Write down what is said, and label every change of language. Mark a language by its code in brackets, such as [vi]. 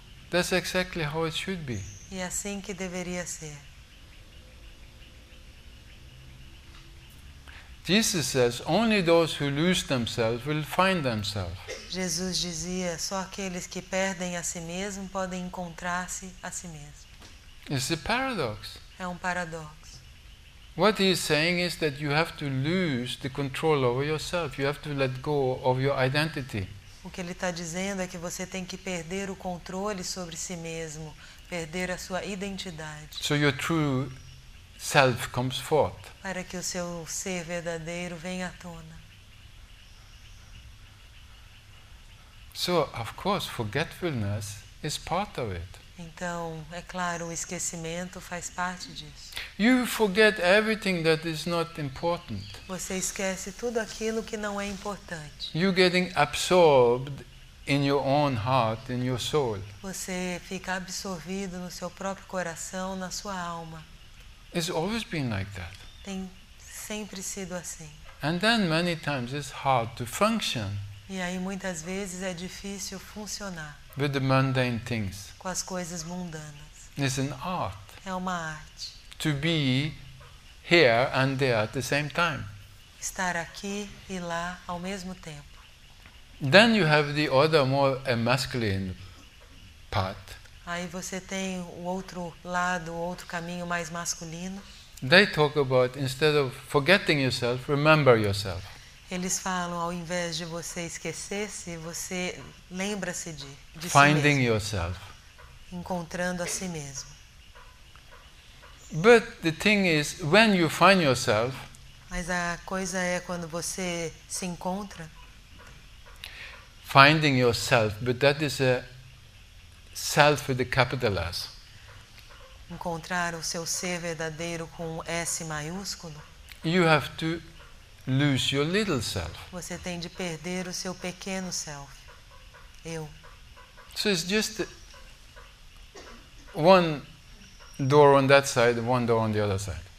[en] That's exactly how it should be. [pt] E assim que deveria ser. [en] Jesus says, only those who lose themselves will find themselves. [pt] Jesus dizia, só aqueles que perdem a si mesmo podem encontrar-se a si mesmo. [en] It's a paradox. [pt] É um paradoxo. [en] What he is saying is that you have to lose the control over yourself. You have to let go of your identity. [pt] O que ele está dizendo é que você tem que perder o controle sobre si mesmo, perder a sua identidade. [en] So your true self comes forth. [pt] Para que o seu ser verdadeiro venha à tona. [en] So, of course, forgetfulness is part of it. [pt] Então, é claro, o esquecimento faz parte disso. [en] You forget everything that is not important. [pt] Você esquece tudo aquilo que não é importante. [en] You're getting absorbed in your own heart, in your soul. [pt] Você fica absorvido no seu próprio coração, na sua alma. [en] It's always been like that. [pt] Tem sempre sido assim. [en] And then many times it's hard to function. [pt] E aí muitas vezes é difícil funcionar. [en] With the mundane things. [pt] Com as coisas mundanas. [en] It's an art. [pt] É uma arte. [en] To be here and there at the same time. [pt] Estar aqui e lá ao mesmo tempo. [en] Then you have the other, more a masculine part. [pt] Aí você tem o outro lado, outro caminho mais masculino. [en] They talk about instead of forgetting yourself, remember yourself. [pt] Eles falam ao invés de você esquecer-se, você lembra-se de si mesmo. [en] Finding yourself. [pt] Encontrando a si mesmo. [en] But the thing is, when you find yourself. [pt] Mas a coisa é quando você se encontra. [en] Finding yourself, but that is a self with a capital S. [pt] Encontrar o seu ser verdadeiro com S maiúsculo. [en] You have to lose your little self. [pt] Você tem de perder o seu pequeno self. Eu. [en] So it's just one door on that side, one door on the other side.